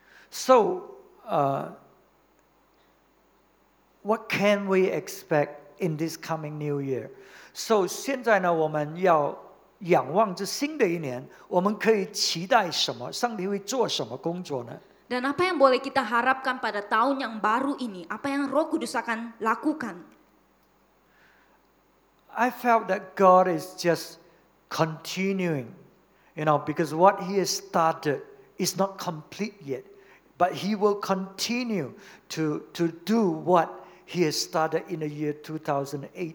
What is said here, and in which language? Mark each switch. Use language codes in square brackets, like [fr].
[en] So, what can we expect in this coming new year? [zh] So, 现在呢，我们要仰望这新的一年，我们可以期待什么？上帝会做什么工作呢？ [id] Dan apa yang boleh kita harapkan pada tahun yang baru ini? Apa yang Roh Kudus akan lakukan? [en] I felt that God is just continuing, you know, because what He has started is not complete yet, but He will continue to do what He has started in the year 2018.